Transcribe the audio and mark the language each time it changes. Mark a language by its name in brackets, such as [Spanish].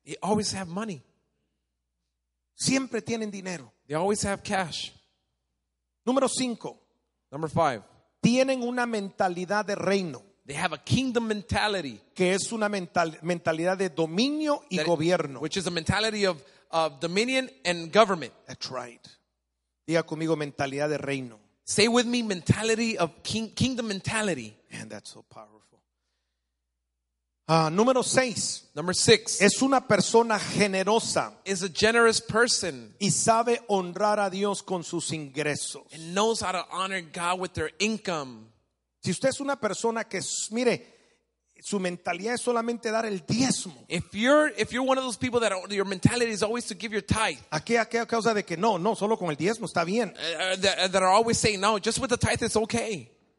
[English] They always have money. [Spanish] Siempre tienen dinero. [English] They always have cash. [Spanish] Número cinco. [English] Number five. [Spanish] Tienen una mentalidad de reino. [English] They have a kingdom mentality. [Spanish] Que es una mentalidad de dominio y gobierno. [English] Which is a mentality of dominion and government. That's right. [Spanish] Diga conmigo, mentalidad de reino. [English] Say with me, mentality of kingdom mentality. And that's so powerful. [Spanish] Número seis. [English] Number six. [Spanish] Es una persona generosa. [English] Is a generous person. [Spanish] Y sabe honrar a Dios con sus ingresos. [English] And knows how to honor God with their income. [Spanish] Si usted es una persona que, mire, su mentalidad es solamente dar el diezmo. [English] If you're one of those people that your mentality is always to give your tithe. [Spanish] ¿A qué causa de que no, solo con el diezmo está bien? [English] That are always saying, no, just with the tithe it's okay.